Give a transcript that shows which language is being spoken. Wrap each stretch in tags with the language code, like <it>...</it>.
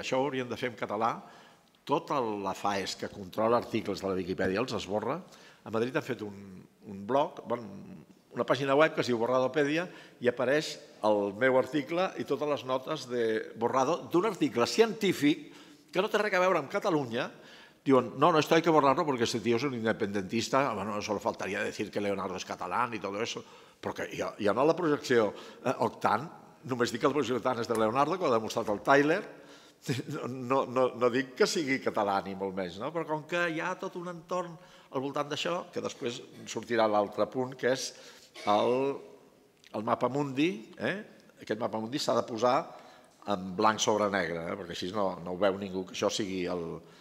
<ca>Això ho hauríem de fer en català. Tota la FAES que controla articles de la Viquipèdia els esborra. A Madrid han fet un blog, una pàgina web que es diu Borradopèdia, i apareix el meu article i totes les notes de Borrado d'un article científic que no té res a veure amb Catalunya. Diuen,</ca> <es>no, esto hay que borrarlo porque este tío es un independentista, bueno, solo faltaría decir que Leonardo es catalán y todo eso.</es> <ca>Perquè hi ha anat la projecció octant, només dic que la projecció octant és de Leonardo, que ho ha demostrat el Tyler, no dic que sigui català ni molt més, però com que hi ha tot un entorn al voltant d'això, que després sortirà l'altre punt, que és el mapa mundi, aquest mapa mundi s'ha de posar en blanc sobre negre, perquè així no ho veu ningú, que això sigui el...</ca>